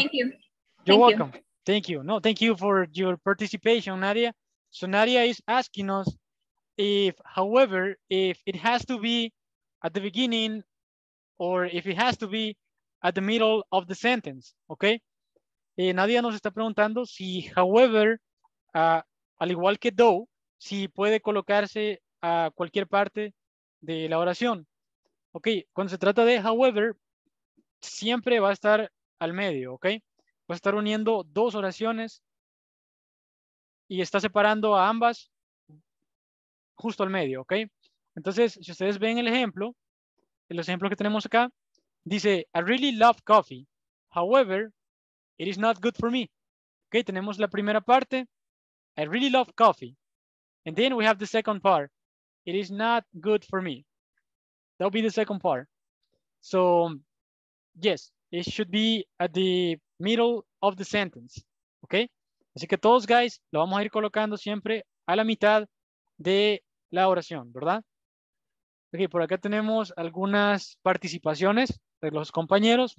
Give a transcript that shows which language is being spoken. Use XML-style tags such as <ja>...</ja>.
<en>Thank you. You're welcome. Thank you. No, thank you for your participation, Nadia. So Nadia is asking us if it has to be at the beginning or if it has to be at the middle of the sentence, okay?</en> <es>Nadia nos está preguntando si, however, al igual que though, si puede colocarse a cualquier parte de la oración. Ok, cuando se trata de however, siempre va a estar al medio, ok? Va a estar uniendo dos oraciones y está separando a ambas justo al medio, ok? Entonces, si ustedes ven el ejemplo, los ejemplos que tenemos acá, dice,</es> <en>I really love coffee, however, it is not good for me.</en> <es>Okay, tenemos la primera parte.</es> <en>I really love coffee. And then we have the second part. It is not good for me. That'll be the second part. So, yes, it should be at the middle of the sentence. Okay?</en> <es>Así que todos, guys, lo vamos a ir colocando siempre a la mitad de la oración, ¿verdad? Okay, por acá tenemos algunas participaciones de los compañeros.</es>